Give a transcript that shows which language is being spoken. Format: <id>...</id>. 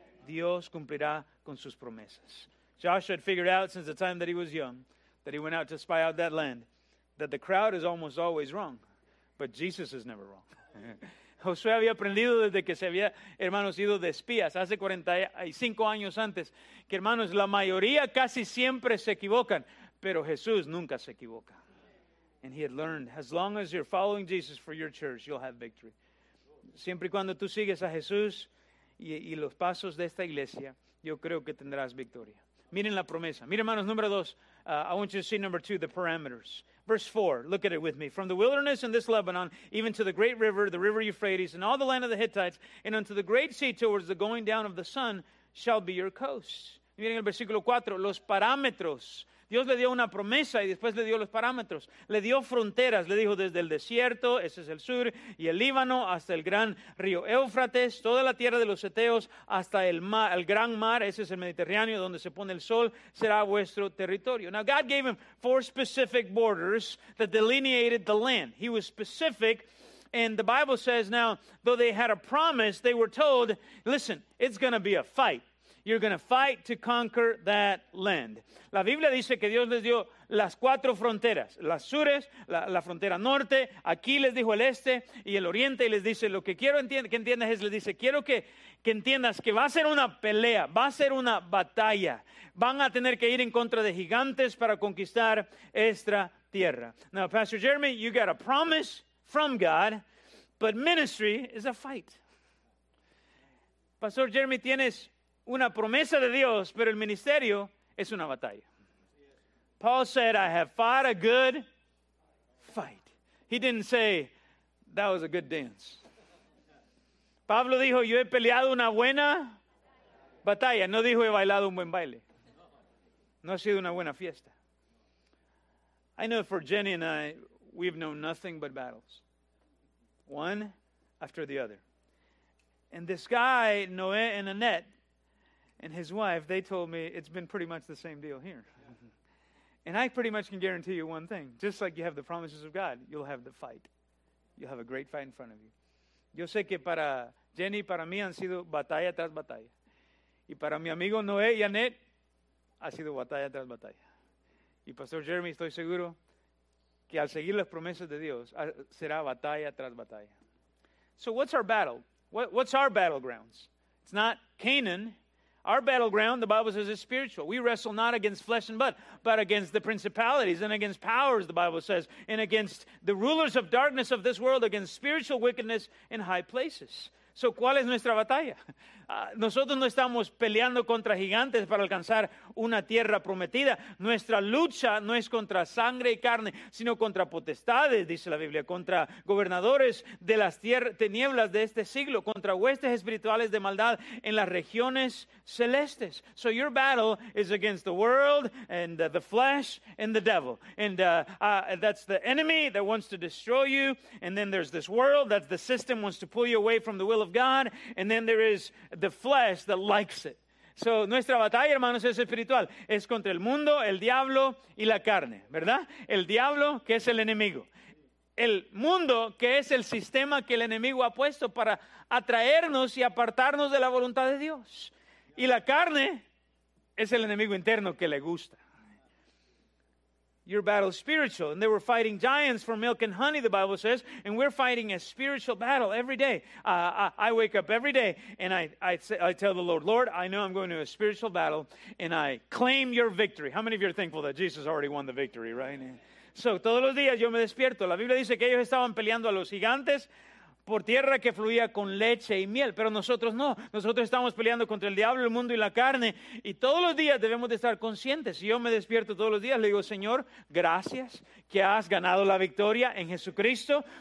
<es>Dios cumplirá con sus promesas.</es> <en>Joshua had figured out since the time that he was young, that he went out to spy out that land, that the crowd is almost always wrong, but Jesus is never wrong.</en> <es>Josué había aprendido desde que se había, hermanos, ido de espías hace 45 años antes, que, hermanos, la mayoría casi siempre se equivocan, pero Jesús nunca se equivoca.</es> <en>And he had learned, as long as you're following Jesus for your church, you'll have victory.</en> <es>Siempre y cuando tú sigues a Jesús y los pasos de esta iglesia, yo creo que tendrás victoria. Miren la promesa. Miren, hermanos, número dos.</es> <en>I want you to see number two, the parameters. Verse 4, look at it with me. From the wilderness and this Lebanon, even to the great river, the river Euphrates, and all the land of the Hittites, and unto the great sea towards the going down of the sun, shall be your coast.</en> <es>Miren el versículo 4, los parámetros. Dios le dio una promesa y después le dio los parámetros. Le dio fronteras. Le dijo desde el desierto, ese es el sur, y el Líbano, hasta el gran río Éufrates, toda la tierra de los Eteos, hasta el mar, el gran mar, ese es el Mediterráneo, donde se pone el sol, será vuestro territorio.</es> <en>Now, God gave him 4 specific borders that delineated the land. He was specific, and the Bible says now, though they had a promise, they were told, listen, it's going to be a fight. You're going to fight to conquer that land.</en> <es>La Biblia dice que Dios les dio las 4 fronteras. Las sures, la frontera norte. Aquí les dijo el este y el oriente. Y les dice, lo que quiero que entiendas es, les dice, quiero que entiendas que va a ser una pelea. Va a ser una batalla. Van a tener que ir en contra de gigantes para conquistar esta tierra.</es> <en>Now, Pastor Jeremy, you got a promise from God, but ministry is a fight.</en> <es>Pastor Jeremy, tienes una promesa de Dios, pero el ministerio es una batalla.</es> <en>Paul said, I have fought a good fight. He didn't say, that was a good dance.</en> <es>Pablo dijo, yo he peleado una buena batalla. No dijo, he bailado un buen baile. No ha sido una buena fiesta.</es> <en>I know for Jenny and I, we've known nothing but battles. One after the other. And this guy, Noé and Annette, and his wife, they told me it's been pretty much the same deal here. And I pretty much can guarantee you one thing. Just like you have the promises of God, you'll have the fight. You'll have a great fight in front of you.</en> <es>Yo sé que para Jenny, para mí, han sido batalla tras batalla. Y para mi amigo Noé y Annette, ha sido batalla tras batalla. Y Pastor Jeremy, estoy seguro, que al seguir las promesas de Dios será batalla tras batalla.</es> <en>So what's our battle? What's our battlegrounds? It's not Canaan. Our battleground, the Bible says, is spiritual. We wrestle not against flesh and blood, but against the principalities and against powers, the Bible says, and against the rulers of darkness of this world, against spiritual wickedness in high places.</en> <es>So, ¿cuál es nuestra batalla? Nosotros no estamos peleando contra gigantes para alcanzar una tierra prometida. Nuestra lucha no es contra sangre y carne, sino contra potestades, dice la Biblia, contra gobernadores de las tinieblas de este siglo, contra huestes espirituales de maldad en las regiones celestes.</es> <en>So your battle is against the world and the flesh and the devil. And that's the enemy that wants to destroy you. And then there's this world, that's the system, wants to pull you away from the will of God. And then there is the flesh that likes it.</en> <es>So, nuestra batalla, hermanos, es espiritual. Es contra el mundo, el diablo y la carne, ¿verdad? El diablo, que es el enemigo. El mundo, que es el sistema que el enemigo ha puesto para atraernos y apartarnos de la voluntad de Dios. Y la carne es el enemigo interno que le gusta.</es> <en>Your battle is spiritual. And they were fighting giants for milk and honey, the Bible says. And we're fighting a spiritual battle every day. I wake up every day and I tell the Lord, Lord, I know I'm going to a spiritual battle and I claim your victory. How many of you are thankful that Jesus already won the victory, right?</en> <es>So, todos los días yo me despierto. La Biblia dice que ellos estaban peleando a los gigantes por tierra que fluía con leche y miel. Pero nosotros no. Nosotros estamos peleando contra el diablo, el mundo y la carne. Y todos los días debemos de estar conscientes. Si yo me despierto todos los días, le digo, Señor, gracias que has ganado la victoria en Jesucristo.</es>